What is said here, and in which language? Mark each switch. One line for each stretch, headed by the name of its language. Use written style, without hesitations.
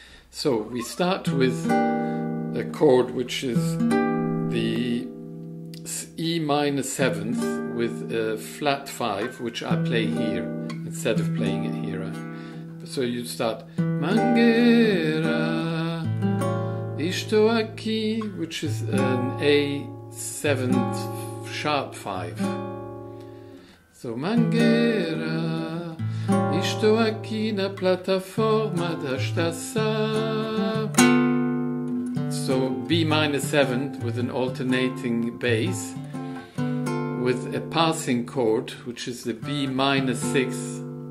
English: So we start with a chord which is the E minor seventh with a flat five, which I play here instead of playing it here. So you start Mangueira,
Portuguese: estou aqui,
English: which is an A seventh sharp five. So
Portuguese: Mangueira, estou aqui na plataforma da estação.
English: So B minor seventh with an alternating bass, with a passing chord, which is the B minor sixth.